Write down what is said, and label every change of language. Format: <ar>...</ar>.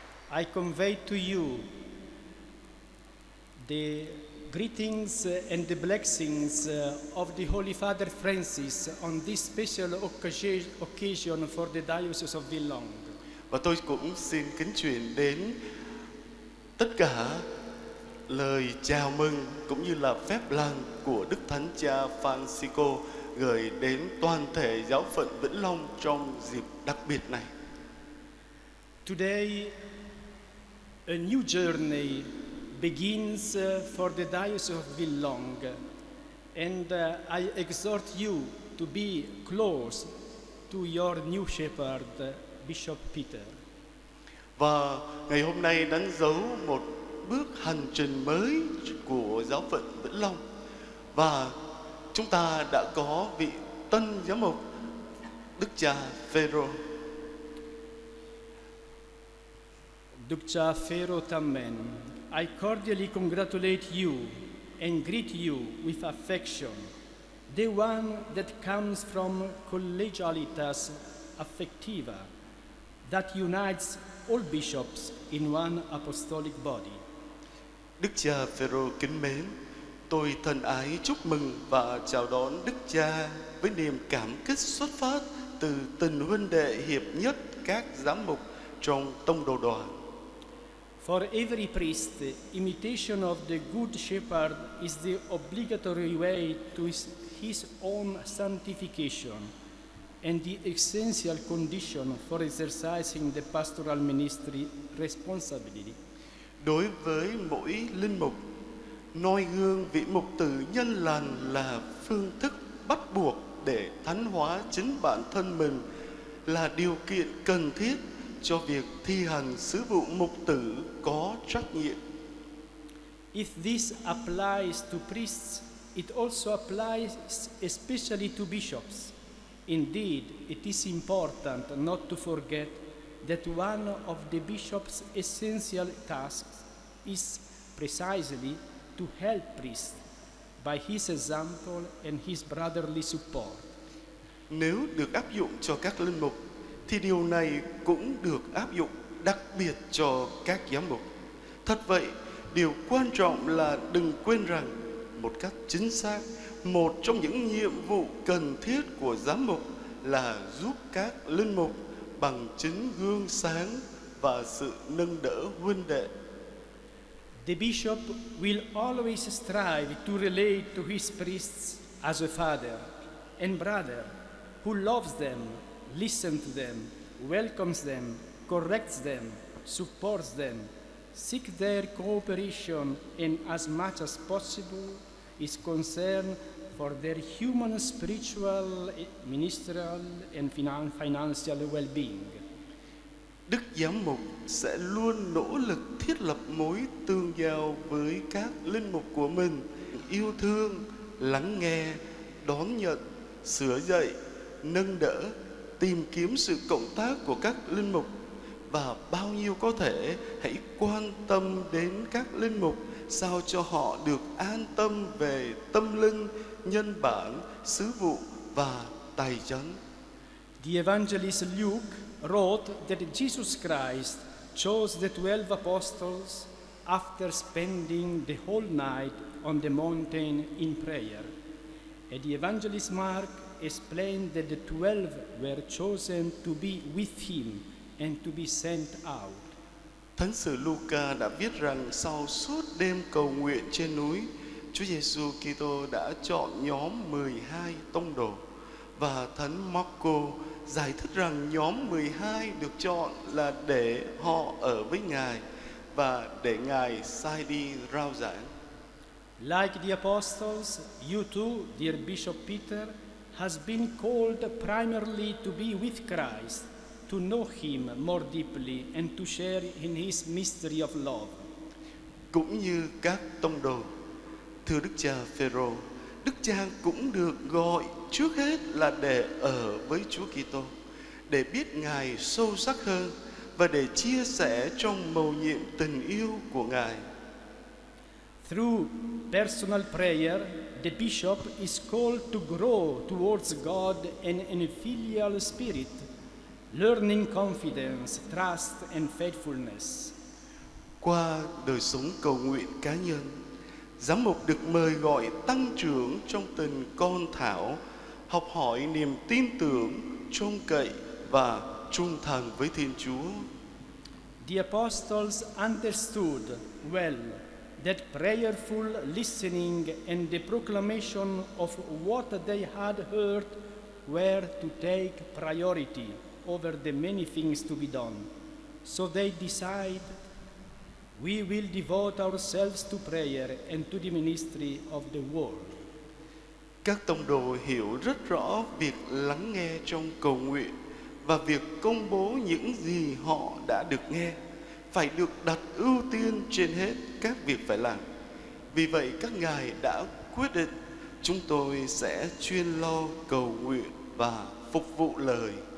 <en>I convey to you the greetings and the blessings of the Holy Father Francis on this special occasion for the Diocese of Vĩnh Long.</en> <vi>Và tôi cũng xin kính truyền đến tất cả lời chào mừng cũng như là phép lành của Đức Thánh Cha Francisco gửi đến toàn thể giáo phận Vĩnh Long trong dịp đặc biệt này.</vi> <en>Today, a new journey begins for the Diocese of Vĩnh Long, and I exhort you to be close to your new shepherd, Bishop Peter.</en> <vi>Và ngày hôm nay đánh dấu một bước hành trình mới của giáo phận Vĩnh Long, và chúng ta đã có vị tân giám mục Đức Cha Phêrô. Đức Cha Phêrô tâm mến,</vi> <en>I cordially congratulate you and greet you with affection, the one that comes from collegialitas affectiva that unites all bishops in one apostolic body.</en> <vi>Đức Cha Phêrô kính mến, tôi thân ái chúc mừng và chào đón Đức Cha với niềm cảm kích xuất phát từ tình huynh đệ hiệp nhất các giám mục trong tông đồ đoàn.</vi> <en>For every priest, imitation of the good shepherd is the obligatory way to his own sanctification and the essential condition for exercising the pastoral ministry responsibility.</en> <vi>Đối với mỗi linh mục, noi gương vị mục tử nhân lành là phương thức bắt buộc để thánh hóa chính bản thân mình, là điều kiện cần thiết cho việc thi hành sứ vụ mục tử có trách nhiệm.</vi> <en>If this applies to priests, it also applies especially to bishops. Indeed, it is important not to forget that one of the bishop's essential tasks is precisely to help priests by his example and his brotherly support.</en> <vi>Nếu được áp dụng cho các linh mục, thì điều này cũng được áp dụng đặc biệt cho các giám mục. Thật vậy, điều quan trọng là đừng quên rằng một cách chính xác, một trong những nhiệm vụ cần thiết của giám mục là giúp các linh mục bằng chính gương sáng và sự nâng đỡ huynh đệ.</vi> <en>The bishop will always strive to relate to his priests as a father and brother who loves them, listens to them, welcomes them, corrects them, supports them, seeks their cooperation, and as much as possible is concerned for their human, spiritual, ministerial, and financial well-being.</en> <vi>Đức Giám mục sẽ luôn nỗ lực thiết lập mối tương giao với các linh mục của mình, yêu thương, lắng nghe, đón nhận, sửa dạy, nâng đỡ, tìm kiếm sự cộng tác của các linh mục, và bao nhiêu có thể hãy quan tâm đến các linh mục sao cho họ được an tâm về tâm linh, nhân bản, sứ vụ và tài chánh.</vi> <en>The Evangelist Luke wrote that Jesus Christ chose the 12 apostles after spending the whole night on the mountain in prayer. And the Evangelist Mark explained that the 12 were chosen to be with him and to be sent out.</en> <vi>Thánh sử Luca đã viết rằng sau suốt đêm cầu nguyện trên núi, Chúa Giêsu Kitô đã chọn nhóm 12 tông đồ, và Thánh Marco giải thích rằng nhóm 12 được chọn là để họ ở với Ngài và để Ngài sai đi rao giảng.</vi> <en>Like the apostles, you too, dear Bishop Peter, has been called primarily to be with Christ, to know him more deeply and to share in his mystery of love.</en> <vi>Cũng như các tông đồ, thưa Đức cha Phêrô, Đức cha cũng được gọi trước hết là để ở với Chúa Kitô, để biết Ngài sâu sắc hơn và để chia sẻ trong mầu nhiệm tình yêu của Ngài.</vi> <en>Through personal prayer, the bishop is called to grow towards God and in a filial spirit, learning confidence, trust and faithfulness.</en> <vi>Qua đời sống cầu nguyện cá nhân, giám mục được mời gọi tăng trưởng trong tình con thảo, học hỏi niềm tin tưởng, trông cậy và trung thành với Thiên Chúa.</vi> <en>The apostles understood well that prayerful listening and the proclamation of what they had heard were to take priority over the many things to be done. So they decided, we will devote ourselves to prayer and to the ministry of the word.</en> <vi>Các tông đồ hiểu rất rõ việc lắng nghe trong cầu nguyện và việc công bố những gì họ đã được nghe phải được đặt ưu tiên trên hết các việc phải làm. Vì vậy các ngài đã quyết định, chúng tôi sẽ chuyên lo cầu nguyện và phục vụ lời.</vi>